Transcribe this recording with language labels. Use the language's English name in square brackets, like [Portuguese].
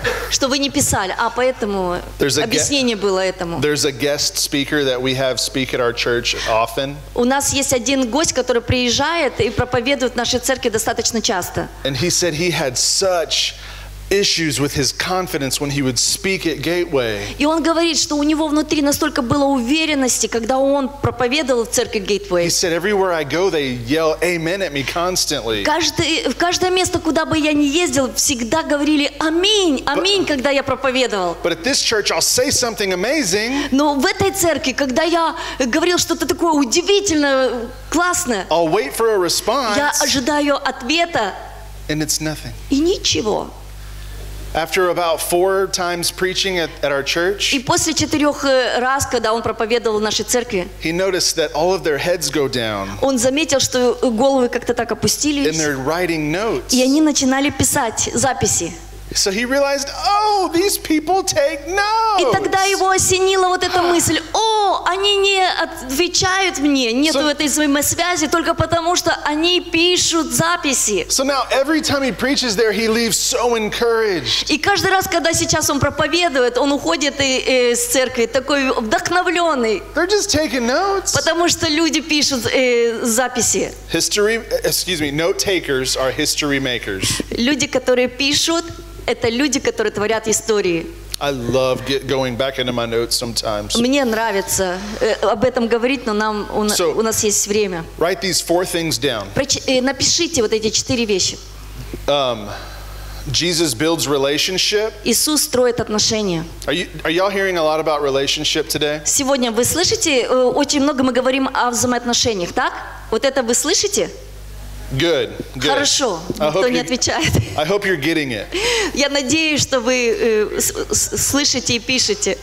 [Russian] Что вы не писали, а поэтому объяснение было этому. [English] There's a guest speaker that we have speak at our church often. [Russian] У нас есть один гость, который приезжает и проповедует в нашей церкви достаточно часто. [English] And he said he had such issues with his confidence when he would speak at Gateway. [Russian] И он говорит, что у него внутри настолько было уверенности, когда он проповедовал в церкви Gateway. [English] He said, everywhere I go, they yell amen at me constantly. [Russian] В каждое место, куда бы я ни ездил, всегда говорили аминь, аминь, когда я проповедовал. [English] But at this church, I'll say something amazing. [Russian] Но в этой церкви, когда я говорил что-то такое удивительное, классное, [English] I'll wait for a response. [Russian] Я ожидаю ответа. [English] And it's nothing. [Russian] И ничего. [English] After about four times preaching at our church, [Russian] и после четырех раз, когда он проповедовал в нашей церкви, [English] he noticed that all of their heads go down. [Russian] Он заметил, что головы как-то так опустились. [English] And they're writing notes. [Russian] И они начинали писать записи. [English] So he realized, oh, these people take notes. [Russian] И тогда его осенила вот эта мысль: о, они не отвечают мне, нету so, этой взаимосвязи, только потому что они пишут записи. [English] So now every time he preaches there, he leaves so encouraged. [Russian] И каждый раз, когда сейчас он проповедует, он уходит из церкви такой вдохновленный. [English] They're just taking notes. [Russian] Потому что люди пишут записи. [English] History, excuse me, note takers are history makers. [Russian] Люди, которые пишут, это люди, которые творят истории. [English] I love going back into my notes sometimes. [Russian] Мне нравится об этом говорить, но нам у нас есть время. [English] Write these four things down. [Russian] Напишите вот эти четыре вещи. [English] Jesus builds relationship. [Russian] Иисус строит отношения. [English] Are y'all hearing a lot about relationship today? [Russian] Сегодня вы слышите очень много мы говорим о взаимоотношениях, так? Вот это вы слышите? [English] Good. [Russian] Хорошо. Никто не отвечает. [English] I hope you're getting it. [Russian] Я надеюсь, что вы слышите и пишете.